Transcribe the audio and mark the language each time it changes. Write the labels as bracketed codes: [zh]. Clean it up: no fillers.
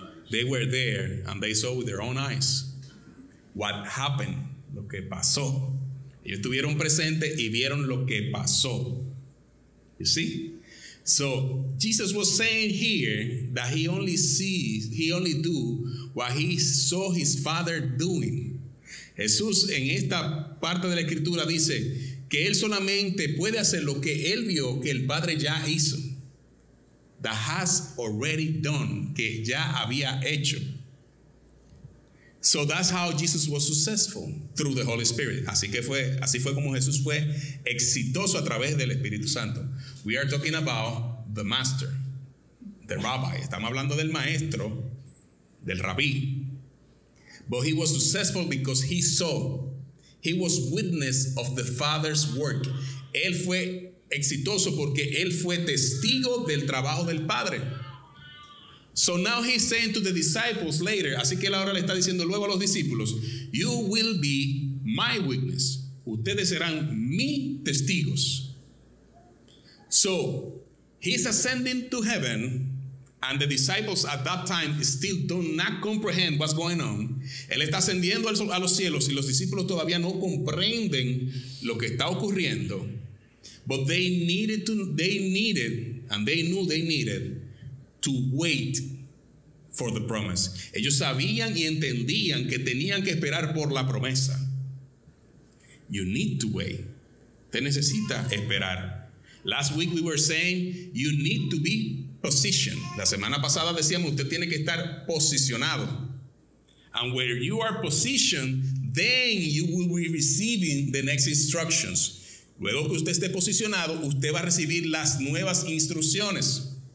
[en] They were there and they saw with their own eyes what happened, [es] lo que pasó. Ellos estuvieron presentes y vieron lo que pasó. [en] You see? So Jesus was saying here that he only do what he saw his Father doing. [es] Jesús en esta parte de la escritura dice que él solamente puede hacer lo que él vio que el Padre ya hizo. [en] That has already done, [es] que ya había hecho. [en] So that's how Jesus was successful, through the Holy Spirit. [es] Así fue como Jesús fue exitoso a través del Espíritu Santo. [en] We are talking about the master, the rabbi. [es] Estamos hablando del maestro, del rabí. [en] But he was successful because he saw. He was witness of the Father's work. [es] Él fue exitoso porque él fue testigo del trabajo del Padre. [en] So now he's saying to the disciples later, [es] así que él ahora le está diciendo luego a los discípulos, [en] you will be my witness. [es] Ustedes serán mi testigos. [en] So he's ascending to heaven and the disciples at that time still do not comprehend what's going on. [es] Él está ascendiendo a los cielos y los discípulos todavía no comprenden lo que está ocurriendo. [en] But they needed to wait for the promise. [es] Ellos sabían y entendían que tenían que esperar por la promesa. [en] You need to wait. [es] Te necesita esperar. [en] Last week we were saying, you need to be positioned. [es] La semana pasada decíamos, usted tiene que estar posicionado. [en] And where you are positioned, then you will be receiving the next instructions. [es] Luego que usted esté posicionado, usted va a recibir las nuevas instrucciones.